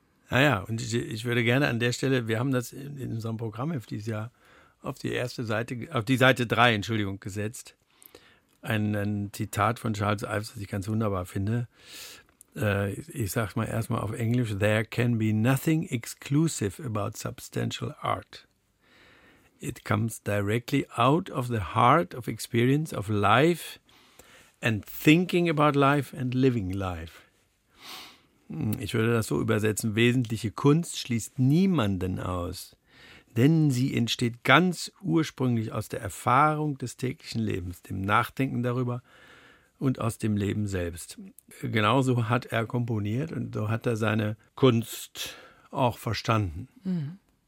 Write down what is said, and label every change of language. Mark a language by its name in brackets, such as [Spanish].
[German] Naja, und ich würde gerne an der Stelle, wir haben das in unserem Programm für dieses Jahr auf die erste Seite, auf die Seite 3, Entschuldigung, gesetzt. Ein Zitat von Charles Ives, das ich ganz wunderbar finde. Ich sag's mal erstmal auf Englisch. [English] There can be nothing exclusive about substantial art. It comes directly out of the heart of experience of life and thinking about life and living life. [German] Ich würde das so übersetzen. Wesentliche Kunst schließt niemanden aus, denn sie entsteht ganz ursprünglich aus der Erfahrung des täglichen Lebens, dem Nachdenken darüber und aus dem Leben selbst. Genauso hat er komponiert und so hat er seine Kunst auch verstanden. Mhm.